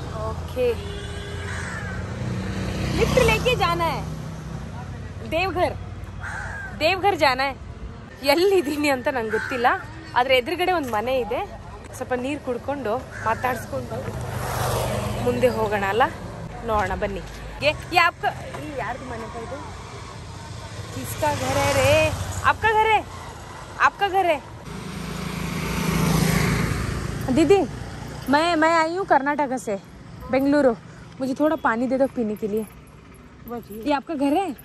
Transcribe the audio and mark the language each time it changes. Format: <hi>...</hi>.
<hi>Okay lift लेके जाना है देवघर, देवघर जाना है.</hi> <kn>ಎಲ್ಲಿದ್ದೀನಿ ಅಂತ ನನಗೆ ಗೊತ್ತಿಲ್ಲ, ಆದ್ರೆ ಎದುರುಗಡೆ ಒಂದು ಮನೆ ಇದೆ, ಸ್ವಲ್ಪ ನೀರು ಕುಡ್ಕೊಂಡು ಮಾತಾಡಿಸ್ಕೊಂಡು ಮುಂದೆ ಹೋಗೋಣ ಅಲ್ಲ, ನೋಡೋಣ ಬನ್ನಿ. ಯಾರ್ದು ಮನೆ ಇದು?</kn> <hi>ಕಿಸ್ಕಾ ಘರ ರೇ आपका घर है, आपका घर है. दीदी मैं आई हूँ कर्नाटक से बेंगलुरु, मुझे थोड़ा पानी दे दो पीने के लिए. ये आपका घर है?</hi>